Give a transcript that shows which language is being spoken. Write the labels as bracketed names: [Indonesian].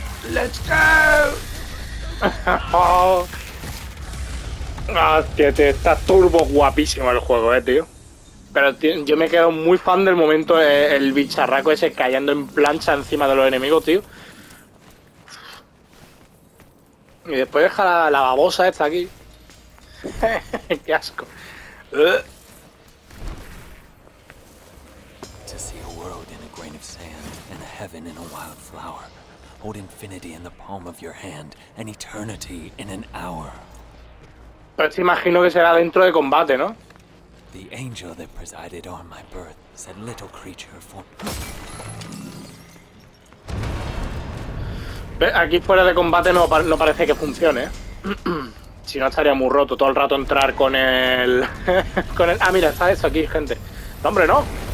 [English] ¡Let's go! [Spanish] Oh. Ah, tío, tío, está turbo guapísimo el juego, tío. Pero tío, yo me quedo muy fan del momento el bicharraco ese cayendo en plancha encima de los enemigos, tío. Y después deja la babosa esta aquí. Qué asco. [English] To see a world in a grain of sand and a heaven in a wild flower. Hold infinity in the palm of your hand and eternity in an hour. [Spanish] Pero te imagino que será dentro de combate, ¿no? [English] The angel that presided on my birth said, little creature, for... [Spanish] Aquí fuera de combate no parece que funcione. Si no, estaría muy roto todo el rato entrar con el... con el... Ah, mira, está eso aquí, gente. ¡No, hombre, no!